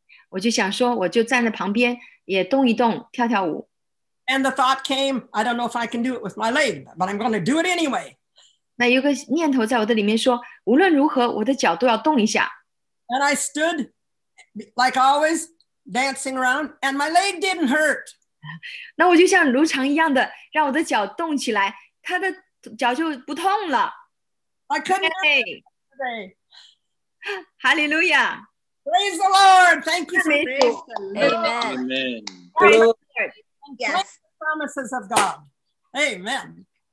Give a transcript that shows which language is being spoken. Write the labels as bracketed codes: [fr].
[zh] 我就想说，我就站在旁边，也动一动，跳跳舞。 [en] And the thought came, I don't know if I can do it with my leg, but I'm going to do it anyway. [zh] 那有个念头在我的里面说，无论如何，我的脚都要动一下。 [en] And I stood, like always, dancing around, and my leg didn't hurt. [zh] 那我就像如常一样的，让我的脚动起来，他的脚就不痛了。 [en] I couldn't.、 Okay. Hallelujah! Praise the Lord! Thank you for praise the Lord. Amen. Amen. Yes. The promises of God. Amen.